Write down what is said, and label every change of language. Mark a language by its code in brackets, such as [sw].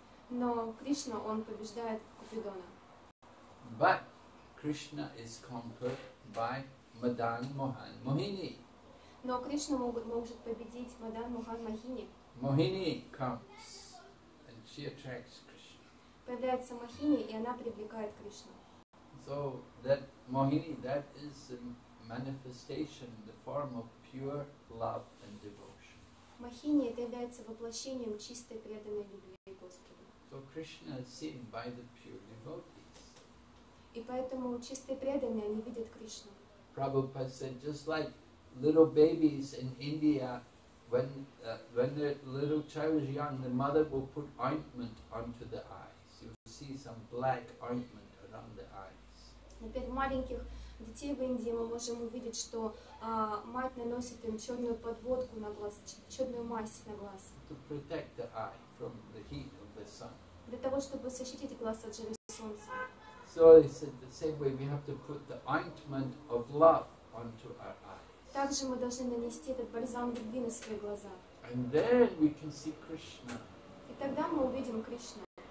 [ru] Но Кришна, он побеждает Купидона. [en] But Krishna is conquered by Madan Mohan Mohini. [ru] Но Кришна может победить Madan Mohan Mohini. [en] Mohini comes and she attracts Krishna. [ru] Появляется Мохини, и она привлекает Кришну. [en] So that Mohini, that is a manifestation in the form of pure love and devotion. [ru] Махини это является воплощением чистой преданной любви Господу. [en] So Krishna is seen by the pure devotees. [ru] И поэтому чистые преданные они видят Кришну. [en] Prabhupada said, just like little babies in India, when the little child is young, the mother will put ointment onto the eyes. You will see some black ointment around the eyes. [ru] Например, маленьких детей в Индии мы можем увидеть, что мать наносит им черную подводку на глаз, черную мазь на глаз. [en] To protect the eye from the heat of the sun. [ru] Для того, чтобы защитить глаз от жары солнца. [en] So it's in the same way we have to put the ointment of love onto our eyes. [ru] Также мы должны нанести этот бальзам любви на свои глаза. [en] And then we can see Krishna. [ru] И тогда мы увидим Кришну.